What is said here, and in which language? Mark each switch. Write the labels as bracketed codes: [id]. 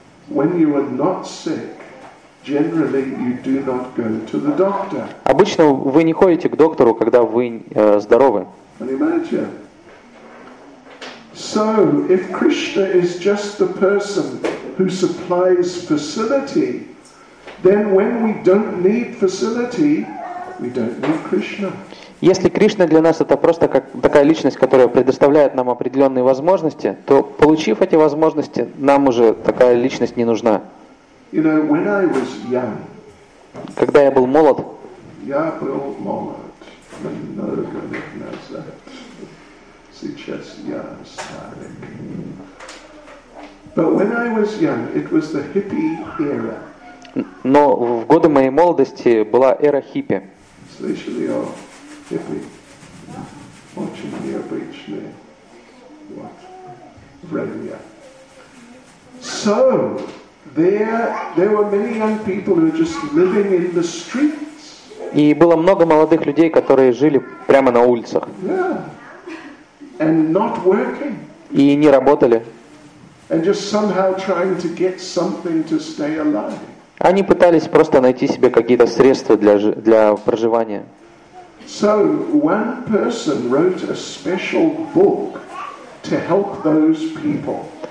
[en] When you are not sick, generally you do not go to the doctor. [ru] Обычно вы не ходите к доктору, когда вы здоровы. [en] And imagine. So, if Krishna is just the person who supplies facility, then when we don't need facility, we don't need Krishna. [ru] Если Кришна для нас это просто как такая личность, которая предоставляет нам определенные возможности, то получив эти возможности, нам уже такая личность не нужна. [en] You know, when I was young, [ru] когда я был молод, сейчас я старый. [en] But when I was young, it was the hippie era. [ru] Но в годы моей молодости была эра хиппи. Слышали о хиппи? Очень необычное время. [en] So, there were many young people who were just living in the streets. [ru] И было много молодых людей, которые жили прямо на улицах. [en] Yeah. And not working. [ru] И не работали. [en] And just somehow trying to get something to stay alive. [ru] Они пытались просто найти себе какие-то средства для проживания. [en] So one person wrote a special book to help those people.